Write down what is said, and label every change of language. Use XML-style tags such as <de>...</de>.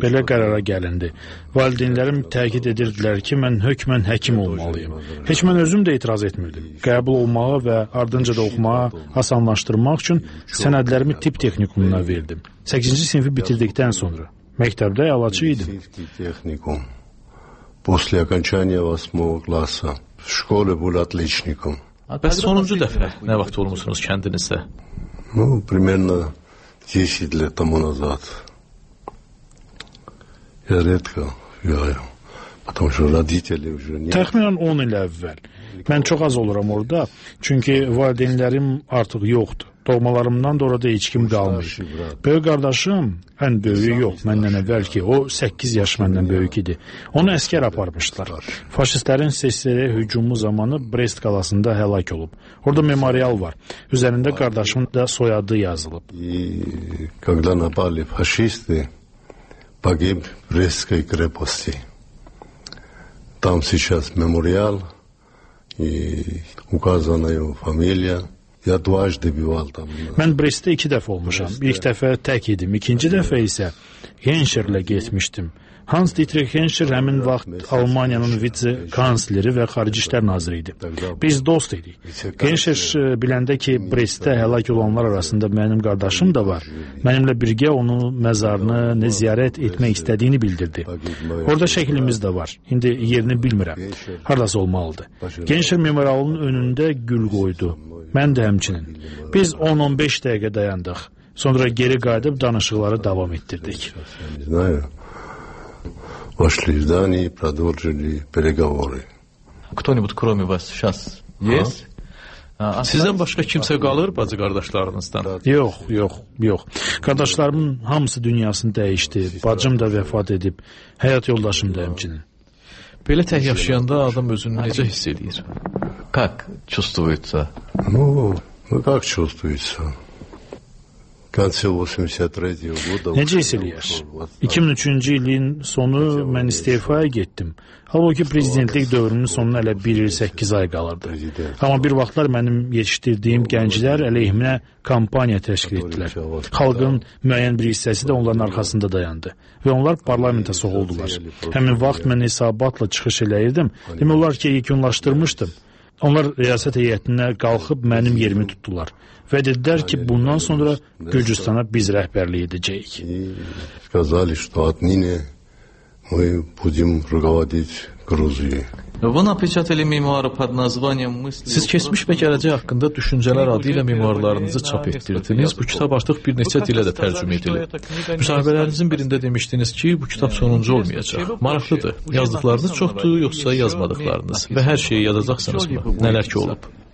<az>Belə qərara gəlindi. Valideynlərim təkid edirdilər ki, mən hökmən həkim olmalıyım. Heç mən özüm də etiraz etmirdim. Qəbul olmağa və ardınca da oxumağa asanlaşdırmaq üçün sənədlərimi tibb texnikumuna verdim. 8-ci sinifi bitirdikdən sonra. Məktəbdə əlaçı idim.</az> <ru>После окончания 8-го класса в школе был отличником.</ru> <az>Bəs sonuncu dəfə nə vaxt olmuşsunuz kəndinizdə?</az> <ru>Примерно 10 лет тому назад. Я редко бываю, потому что родители уже нет.</ru> <az>Təxminən 10 il əvvəl. Mən çox az oluram orada, çünki valideynlərim artıq yoxdur. Doğmalarımdan da orada heç kim qalmır. Böyük qardaşım, ən böyüyü yox, məndən əvvəl ki, o 8 yaş məndən böyük idi. Onu əskər aparmışdılar. Faşistlərin SSR hücumu zamanı Brest qalasında həlak olub. Orada memorial var. Üzərində qardaşımın da soyadı yazılıb.</az> <ru>Когда напали фашисты, погиб в Брестской крепости. Там сейчас мемориал и указана его фамилия.</ru> <az>Mən Brest-də iki dəfə olmuşam. İlk dəfə tək idim. İkinci dəfə isə Henscher-lə getmişdim. Hans Dietrich Henscher həmin vaxt Almaniyanın vitse-kansleri və xarici işlər naziri idi. Biz dost idik. Henscher biləndə ki, Brest-də həlak olanlar arasında mənim qardaşım da var. Mənimlə birgə onun məzarını ziyarət etmək istədiyini bildirdi. Orada şəklimiz də var. İndi yerini bilmirəm. Haradasa olmalıdır. Henscher memorialının önündə gül qoydu. Mən də həmçinin. Biz 10-15 dəqiqə dayandıq. Sonra geri qayıdıb danışıqları davam etdirdik.</az> <ru>Вошли в здание и продолжили переговоры. Кто-нибудь кроме вас сейчас есть?</ru> <az>Sizdən başqa kimsə qalır bacı qardaşlarınızdan? Yox, yox, yox. Qardaşlarımın hamısı dünyasını dəyişdi. Bacım da vəfat edib. Həyat yoldaşım da həmçinin. Belə tək yaşayanda adam özünü necə hiss edir?</az> <ru>Как чувствуется? Как чувствуется?</ru> <az>Necə hiss eləyər? 2003-cü ilin sonu mən istifaya getdim. Halbuki prezidentlik dövrünün sonuna elə 1-8 ay qalırdı. Amma bir vaxtlar mənim yetişdirdiyim gənclər əleyhimə kampaniya təşkil etdilər. Xalqın müəyyən bir hissəsi də onların arxasında dayandı. Və onlar parlamentə soğuldular. Həmin vaxt mən hesabatla çıxış eləyirdim. Demək olar ki, yekunlaşdırmışdım. Onlar riyasət heyətinə qalxıb mənim yerimi tutdular. Və dedilər ki, bundan sonra Gürcüstana biz rəhbərliyə edəcəyik.</az> <ru>Сказали, что отныне мы будем руководить Грузией. Вы напечатали мемуары под названием «Мысли».</ru> <az>Siz keçmiş və gələcək haqqında düşüncələr adı ilə memuarlarınızı çap etdirdiniz. Bu kitab artıq bir neçə dilə də tərcümə edilib. Müsahibələrinizin birində demişdiniz ki, bu kitab sonuncu olmayacaq. Maraqlıdır. Yazdıqlarınız çoxdur, yoxsa yazmadıqlarınız? Və hər şeyi yazacaqsınız mı? Nələr ki olub?</az>